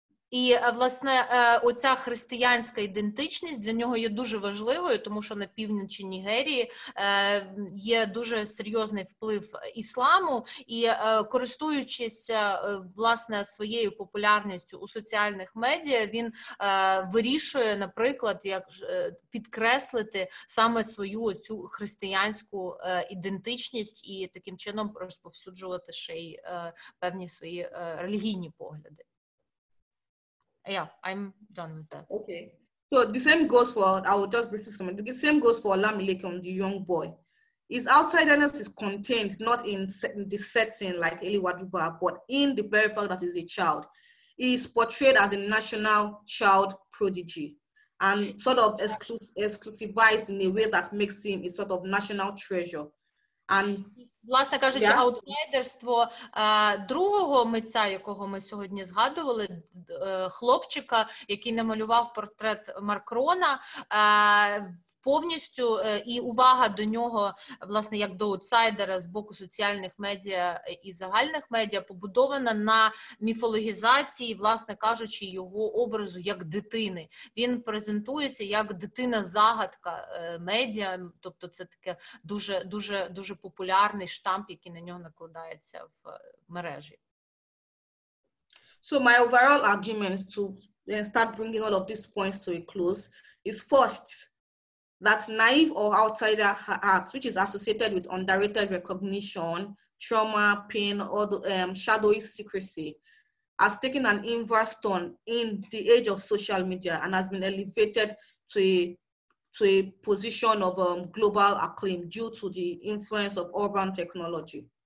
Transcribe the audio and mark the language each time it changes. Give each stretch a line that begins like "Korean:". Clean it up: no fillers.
Ukrainian: І, власне, оця християнська ідентичність для нього є дуже важливою, тому що на півночі Нігерії є дуже серйозний вплив ісламу, і користуючись, власне, своєю популярністю у соціальних медіа, він вирішує, наприклад, як підкреслити саме свою оцю християнську ідентичність і таким чином розповсюджувати ще й певні свої релігійні погляди.
English: Yeah, I'm done with that. Okay. So the same goes for, I will just briefly comment. The same goes for Lamilekun, the young boy. His outsiderness is contained not in the setting like Eliwaduba, but in the very fact that he's a child. He is portrayed as a national child prodigy and sort of exclusivized in a way that makes him a sort of national treasure. And
Ukrainian: власне кажучи, аутсайдерство другого митця, якого ми сьогодні згадували, хлопчика, який намалював портрет Маркрона, повністю і увага до нього, власне, як до аутсайдера з боку соціальних медіа і загальних медіа, побудована на міфологізації, власне кажучи, його образу як дитини. Він презентується як дитина-загадка медіа, тобто це таке дуже, дуже, дуже популярний штамп, який на нього накладається в мережі.
English: So my overall argument to start bringing all of these points to a close is first, that naive or outsider art, which is associated with underrated recognition, trauma, pain, or the shadowy secrecy, has taken an inverse turn in the age of social media and has been elevated to a position of global acclaim due to the influence of urban technology.